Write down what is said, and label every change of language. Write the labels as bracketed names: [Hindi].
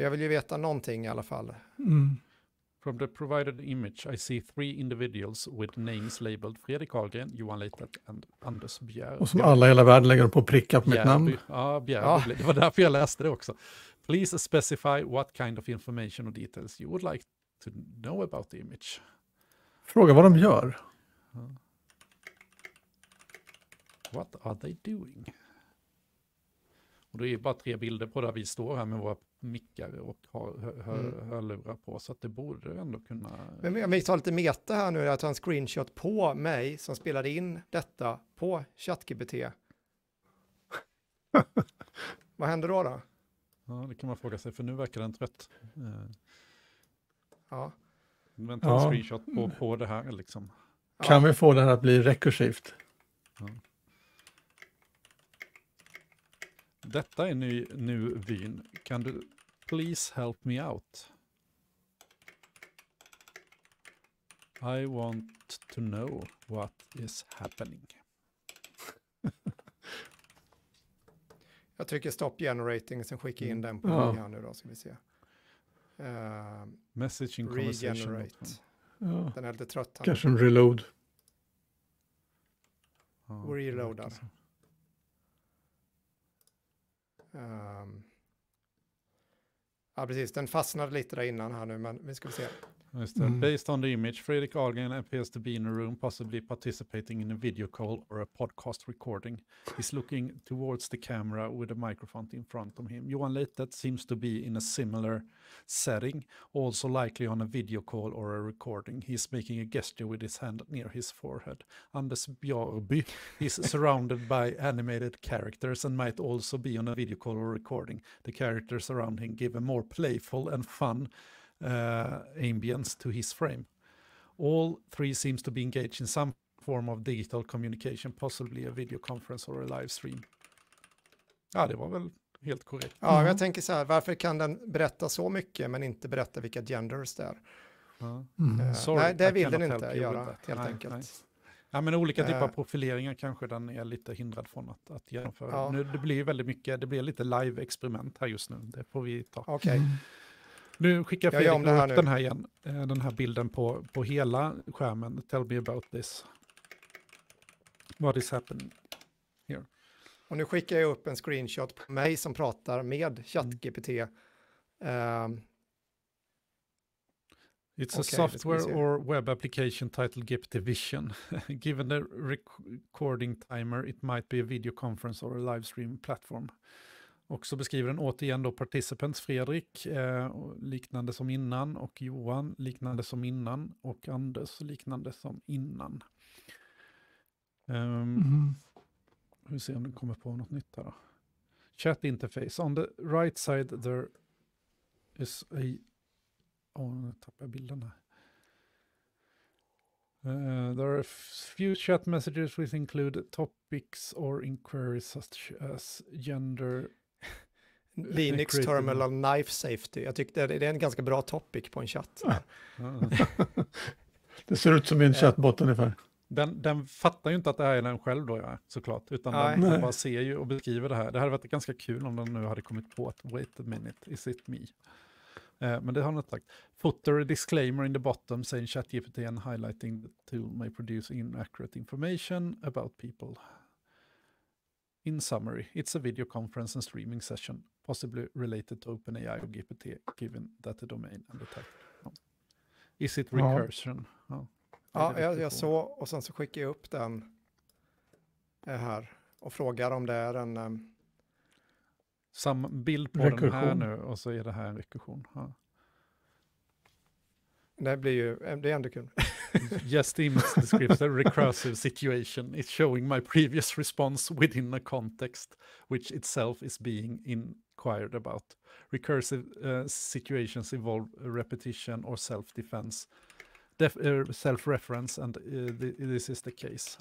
[Swedish] Jag vill ju veta någonting i alla fall. Mm. [English] From the provided image I see three individuals with names labeled Fredrik Karlgren, Johan Leitet and Anders Bjär. [Swedish] Och som alla hela världen lägger på att pricka på mitt namn. Ja, Bjär. Ja. Det var därför jag läste det också. [English] Please specify what kind of information or details you would like to know about the image. [Swedish] Fråga vad de gör. [English] What are they doing? [Swedish] Och det är bara tre bilder på där vi står här med våra mickar och har hörlurar på, så att det borde ändå kunna... Men om vi tar lite meta här nu, jag tar en screenshot på mig som spelade in detta på ChatGPT. Vad händer då? Ja, det kan man fråga sig, för nu verkar den trött. Ja. Men ta en screenshot på det här liksom. Kan vi få det här att bli rekursivt? Ja. Detta är nu vyn. Kan du [English] please help me out? I want to know what is happening. [Swedish] Jag trycker stop generating och sen skickar in den på mig här nu då, ska vi se. [English] Messaging conversation. [Swedish] Regenerate. Den är lite trött. Kanske en reload. Och reloadar. Ja, precis. Den fastnade lite där innan här nu, men vi ska se. Just det. Mm. [English] Based on the image, Fredrik Ahlgren appears to be in a room, possibly participating in a video call or a podcast recording. He's looking towards the camera with a microphone in front of him. Johan Leitet seems to be in a similar setting, also likely on a video call or a recording. He's making a gesture with his hand near his forehead. Anders Björby is surrounded by animated characters and might also be on a video call or recording. The characters around him give a more playful and fun ambience to his frame. All three seems to be engaged in some form of digital communication, possibly a video conference or a live stream. [Swedish] Ja, det var väl helt korrekt. Ja, jag tänker så här, varför kan den berätta så mycket men inte berätta vilka genders det är? Sorry, nej, det vill den inte göra, helt enkelt. Ja, men olika typer av profileringar kanske den är lite hindrad från att genomföra. Ja. Nu, det blir väldigt mycket, det blir lite live-experiment här just nu, det får vi ta. Okej. Okay. Nu skickar Fredrik upp den här igen, den här bilden på hela skärmen. [English] Tell me about this. What is happening here? [Swedish] Och nu skickar jag upp en screenshot på mig som pratar med ChatGPT. [English] It's a software or web application titled GPT Vision. Given the recording timer, it might be a video conference or a live stream platform. [Swedish] Och så beskriver den återigen då participants Fredrik, liknande som innan, och Johan, liknande som innan, och Anders, liknande som innan. Hur ser om det kommer på något nytt här då? [English] Chat interface. On the right side there is a... [Swedish] Åh, nu tappar jag bilden här. [English] There are a few chat messages which include topics or inquiries such as gender... Linux Terminal Knife Safety. [Swedish] Jag tyckte det är en ganska bra topic på en chatt. Det ser ut som en chattbot ungefär. Den fattar ju inte att det här är den själv då, ja, såklart. Utan den bara ser ju och beskriver det här. Det hade varit ganska kul om den nu hade kommit på att [English] wait a minute, is it me? [Swedish] Men det har något sagt. [English] Footer disclaimer in the bottom saying ChatGPT and highlighting the tool may produce inaccurate information about people. In summary, it's a video conference and streaming session, possibly related to OpenAI or GPT, given that the domain and the title. Is it recursion? [Swedish] Ja, jag såg, och sen så skickar jag upp den här och frågar om det är en... Samma bild på rekursion. Den här nu, och så är det här en rekursion. Ja. Det blir ju, det är ändå kul. [English] Yes, the image describes a recursive situation. It's showing my previous response within a context which itself is being inquired about. Recursive situations involve repetition or self-defense, self-reference, and this is the case.